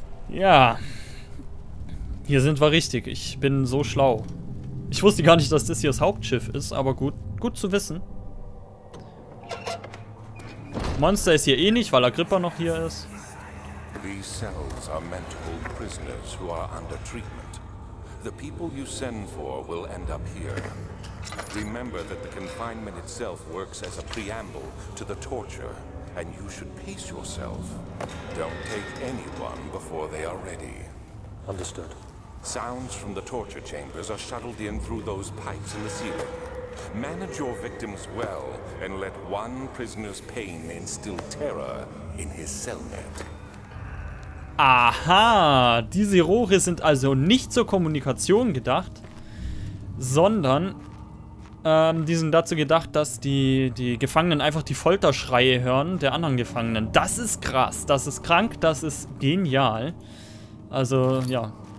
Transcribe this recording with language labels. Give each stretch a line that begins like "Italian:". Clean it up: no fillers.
German: Ja. Hier sind wir richtig. Ich bin so schlau. Ich wusste gar nicht, dass das hier das Hauptschiff ist. Aber gut. Gut zu wissen. Monster ist hier eh nicht, weil Agrippa noch hier ist.
English: These cells are meant to hold prisoners who are under treatment. The people you send for will end up here. Remember that the confinement itself works as a preamble to the torture, and you should pace yourself. Don't take anyone before they are ready. Understood. Sounds from the torture chambers are shuttled in through those pipes in the ceiling. Manage your victims well, and let one prisoner's pain instill terror in his cellmate.
German: Aha, diese Rohre sind also nicht zur Kommunikation gedacht, sondern die sind dazu gedacht, dass die Gefangenen einfach die Folterschreie hören der anderen Gefangenen. Das ist krass, das ist krank, das ist genial. Also, ja.